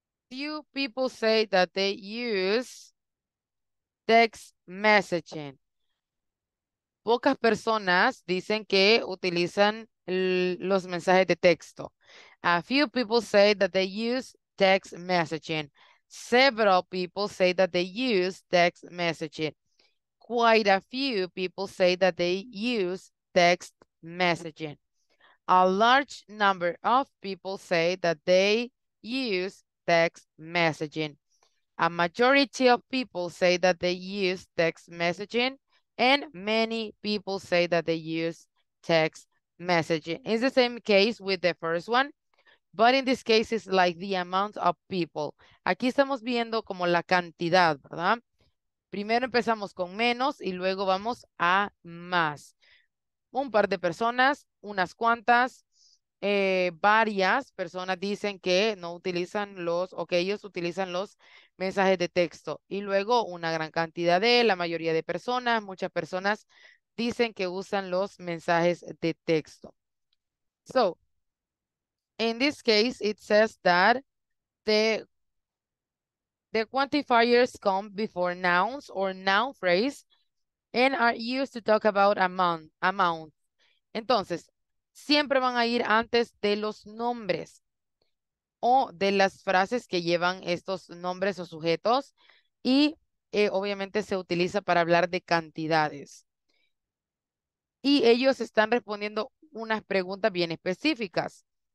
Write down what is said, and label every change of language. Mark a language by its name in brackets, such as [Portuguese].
[English] few people say that they use text messaging. [Spanish] Pocas personas dicen que utilizan los mensajes de texto. [English] A few people say that they use text messaging. Several people say that they use text messaging. Quite a few people say that they use text messaging. A large number of people say that they use text messaging. A majority of people say that they use text messaging. And many people say that they use text messaging. It's the same case with the first one, but in this case, it's like the amount of people. [Spanish] Aquí estamos viendo como la cantidad, ¿verdad? Primero empezamos con menos y luego vamos a más. Un par de personas, unas cuantas, varias personas dicen que no utilizan los, o que ellos utilizan los mensajes de texto. Y luego una gran cantidad de la mayoría de personas, muchas personas dicen que usan los mensajes de texto. [English] So, in this case, it says that the quantifiers come before nouns or noun phrase and are used to talk about amount. [Spanish] Entonces, siempre van a ir antes de los nombres o de las frases que llevan estos nombres o sujetos y obviamente se utiliza para hablar de cantidades. Y ellos están respondiendo unas preguntas bien específicas.